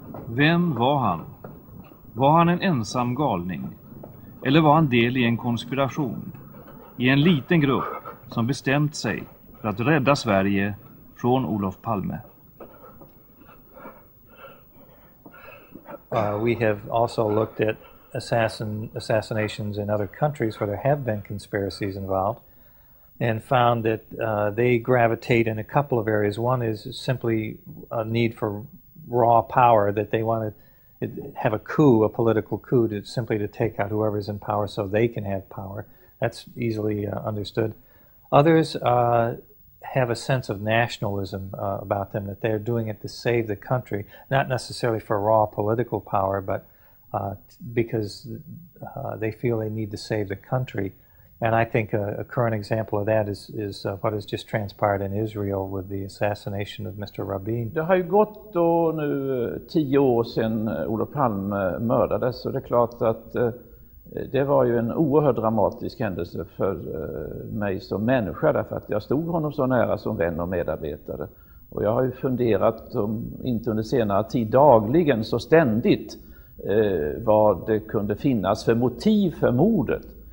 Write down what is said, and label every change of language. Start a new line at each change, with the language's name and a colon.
Swedish: Vem var han? Var han en ensam galning? Eller var han del i en konspiration? I en liten grupp som bestämt sig för att rädda Sverige från Olof Palme?
English: We have also looked at assassinations in other countries where there have been conspiracies involved and found that they gravitate in a couple of areas. One is simply a need for raw power, that they want to have a coup, a political coup, to simply to take out whoever's in power so they can have power. That's easily understood. Others have a sense of nationalism about them, that they're doing it to save the country, not necessarily for raw political power, but because they feel they need to save the country. And I think a current example of that is what has just transpired in Israel with the assassination of Mr. Rabin.
Swedish: Det har ju gått då nu 10 år sedan Olof Palme mördades, så det är klart att det var ju en oerhört dramatisk händelse för mig som människa, därför att jag stod honom så nära som vän och medarbetare. Och jag har ju funderat, om inte under senare tid, dagligen så ständigt vad det kunde finnas för motiv för mordet.